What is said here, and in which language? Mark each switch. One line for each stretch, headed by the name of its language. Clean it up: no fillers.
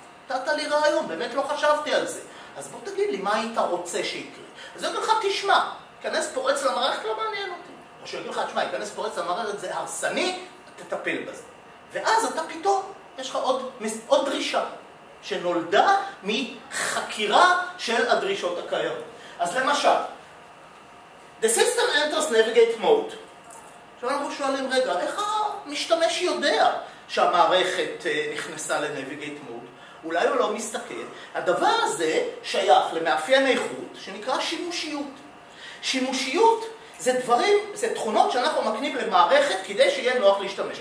Hebrew: נתת לי רעיון, באמת לא חשבתי על זה. אז בוא תגיד לי, מה היית רוצה שיקרה? אז אני אגיד לך, תשמע, כנס פורץ למערכת לא מעניין אותי. או שאני אגיד לך, תשמע, כנס פורץ למערכת זה הרסני, תטפל בזה. ואז אתה פתאום, יש לך עוד דרישה, שנולדה מחקירה של הדרישות הקיימות. אז למשל,
English: the system enters navigate mode.
Hebrew: שאנחנו שואלים, רגע, איך המשתמש יודע שהמערכת נכנסה לנביגייט מוד? אולי הוא לא מסתכל. הדבר הזה שייך למאפיין איכות שנקרא שימושיות. שימושיות זה דברים, זה תכונות שאנחנו מקנים למערכת כדי שיהיה נוח להשתמש.